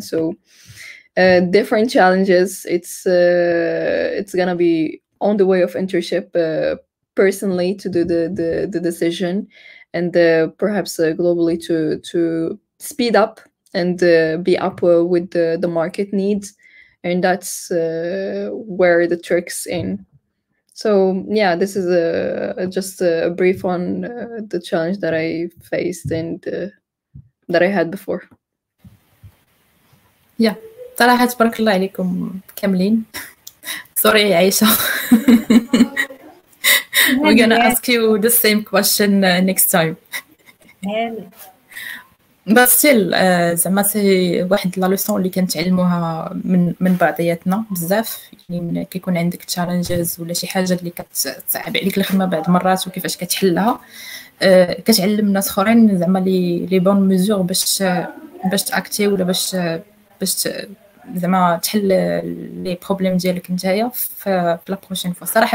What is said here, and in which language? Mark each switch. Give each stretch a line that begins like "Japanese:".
English: So different challenges. It's gonna be on the way of internship personally to do the decision, and perhaps globally to speed up and be up with the market needs, and that's where the tricks in. So yeah, this is a brief on the challenge that I faced and that I had before.
Arabic: Yeah, صراحة تبارك الله عليكم كاملين.
English: Sorry, Aisha. We're gonna ask you the same question next time. But still,
Arabic: زعما سي واحد
French: لا لوسون
Arabic: اللي كنتعلموها من بعضياتنا بزاف. يعني كيكون عندك تشالنجز ولا شي حاجة اللي كتصعب عليك الخدمة بعد مرات وكيفاش كتحلها, كتعلم ناس اخرين زعما
French: لي بون ميزور
Arabic: باش تاكتي ولا باش زعما تحل لي بروبليم ديالك نتايا في
French: لا بروشين فوا.